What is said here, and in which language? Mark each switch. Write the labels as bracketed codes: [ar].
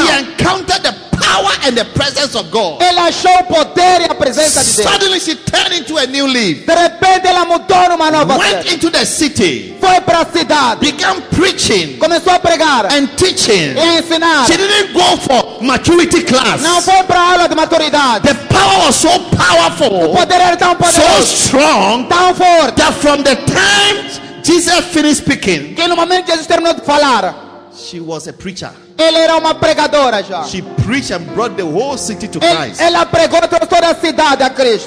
[en] She encountered the power and the presence of God. [pt] Ela achou poder e a presença de Deus. [en] Suddenly she turned into a new leaf. [pt] De repente ela mudou numa nova vida. [en] Went into the city. [pt] Foi para a cidade. [en] Began preaching. [pt] Começou a pregar. [en] And teaching. [pt] E ensinar. [en] She didn't go for maturity class. [pt] Não foi para aula de maturidade. [en] The power was so powerful. [pt] O poder era tão poderoso. [en] So strong. [pt] Tão forte. [en] That from the time Jesus finished speaking. [pt] Que no momento que Jesus terminou de falar. [en] She was a preacher. [pt] Ela era uma pregadora já. [en] She preached and brought the whole city to Christ. [pt] Ela pregou trouxe toda a cidade a Cristo.